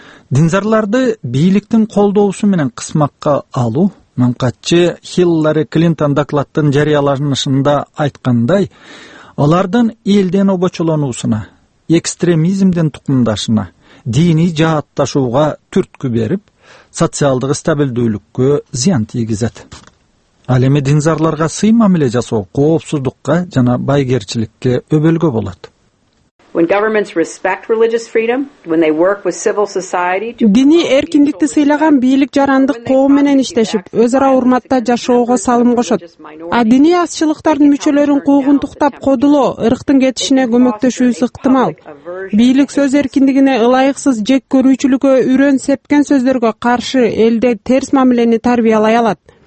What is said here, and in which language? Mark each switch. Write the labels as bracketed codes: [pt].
[ky] Динзарларды бийликтин колдоосу менен кысмакка алуу, мамкатчы Хиллари Клинтон докладтын жарыяланышында айткандай, алардын элден обочолонуусуна, экстремизмден тукумдашына, диний жаатташууга түрткү берип, социалдык стабилдүүлүккө зыян тийгизет. Ал эми динзарларга сый мамиле жасоо коопсуздукка жана байгерчиликке өбөлгө болот. [en] When governments respect religious freedom, when they work with civil society to [ky] дини эркиндикти сыйлаган бийлик жарандык коом менен иштешип, өз ара урматта жашоого салым кошот. А диний азчылыктардын мүчөлөрүн куугунтуктап кодулоо ырктын кетишине көмөктөшүүсү ыктымал. Бийлик сөз эркиндигине ылайыксыз жек көрүүчүлүккө үрөн сепкен сөздөргө каршы элде терс мамилени тарбиялай алат.